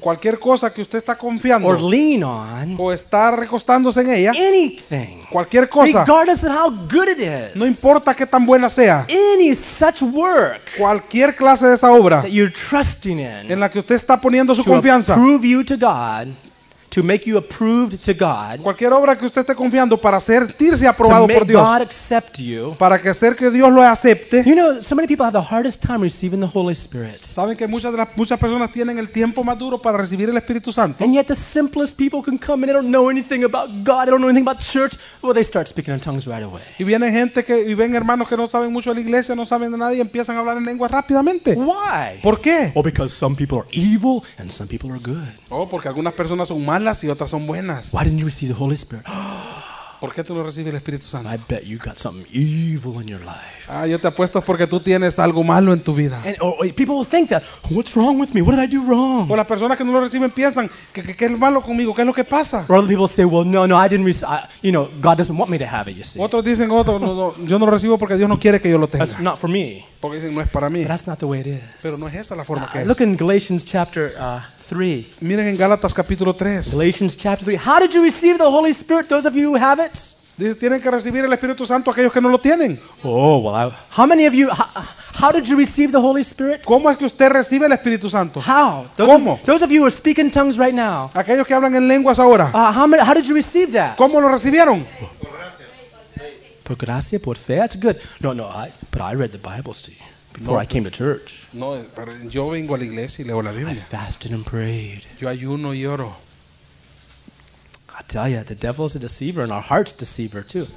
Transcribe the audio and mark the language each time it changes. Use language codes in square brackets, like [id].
[es] cualquier cosa que usted está confiando, [en] or lean on, [es] o está recostándose en ella, [en] anything, [es] cualquier cosa, [en] regardless of how good it is, [es] no importa qué tan buena sea, [en] any such work, [es] cualquier clase de esa obra, [en] that you're trusting in, [es] en la que usted está poniendo su confianza, [en] to prove you to God, to make you approved to God, [es] cualquier obra que usted esté confiando para sentirse aprobado por Dios, [en] to make God accept you, [es] para que hacer que Dios lo acepte. [en] You know, so many people have the hardest time receiving the Holy Spirit. [es] Saben que muchas personas tienen el tiempo más duro para recibir el Espíritu Santo. [en] And yet the simplest people can come and they don't know anything about God, they don't know anything about church, well, they start speaking in tongues right away. [es] Y vienen gente que y ven hermanos que no saben mucho de la iglesia, no saben de nadie, empiezan a hablar en lengua rápidamente. [en] Why? [es] ¿Por qué? [en] Well, because some people are evil and some people are good. [es] Oh, porque algunas personas son malas y otras son buenas. [en] Why didn't you receive the Holy Spirit? [es] ¿Por qué tú no recibes el Espíritu Santo? [en] I bet you got something evil in your life. [es] Ah, yo te apuesto es porque tú tienes algo malo en tu vida. [en] And, or people will think that, what's wrong with me? What did I do wrong? [es] O las personas que no lo reciben piensan que es malo conmigo. ¿Qué es lo que pasa? [en] Or other people say, well, no, I didn't receive. You know, God doesn't want me to have it. You see. [es] Otros dicen, no, yo no lo recibo porque Dios no quiere que yo lo tenga. [en] That's not for me. [es] Porque dicen, no es para mí. [en] But that's not the way it is. [es] Pero no es esa la forma que es. [en] Look in Galatians chapter. [es] Miren en Gálatas capítulo 3. [en] Galatians chapter 3. How did you receive the Holy Spirit, those of you who have it? [es] Dice, tienen que recibir el Espíritu Santo aquellos que no lo tienen. [en] Oh, well, how many of you, how did you receive the Holy Spirit? [es] ¿Cómo es que usted recibe el Espíritu Santo? [en] How? Those [es] ¿cómo? [en] Those of you who are speaking tongues right now. [es] Aquellos que hablan en lenguas ahora. [en] How did you receive that? [es] ¿Cómo lo recibieron? Por gracia, por fe. [en] That's good. No, I read the Bible, see. Before I came to church. [es] No, pero yo vengo a la iglesia y leo la Biblia. [en] I fasted and prayed. [es] Yo ayuno y oro. [en] I tell you, the devil is a deceiver and our heart's deceiver too.